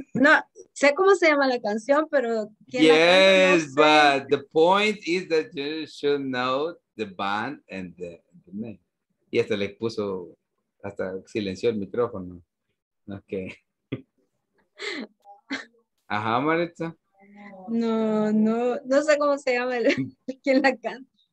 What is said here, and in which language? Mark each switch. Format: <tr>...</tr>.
<es>No, sé cómo se llama la canción, pero ¿quién</es> <en>yes,</en> <es>la canta? No sé.</es> <en>But the point is that you should know the band and the name.</en> <es>Y hasta le puso, hasta silenció el micrófono. Okay. Ajá, Maritza. No sé cómo se llama quien la canta.</es>